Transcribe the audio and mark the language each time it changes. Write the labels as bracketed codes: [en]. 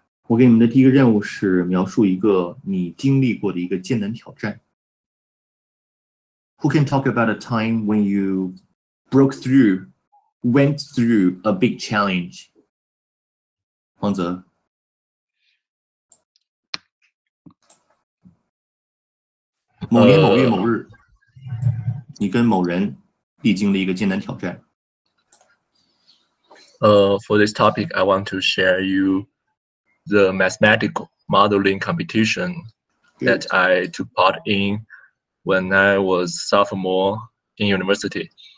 [zh] 我给你们的第一个任务是描述一个你经历过的一个艰难挑战。 [en] Who can talk about a time when you broke through, went through a big challenge? [zh] 黄泽。某年某月某日，你跟某人历经了一个艰难挑战。 [en] For this topic, I want to share you the mathematical modeling competition that I took part in when I was sophomore in university.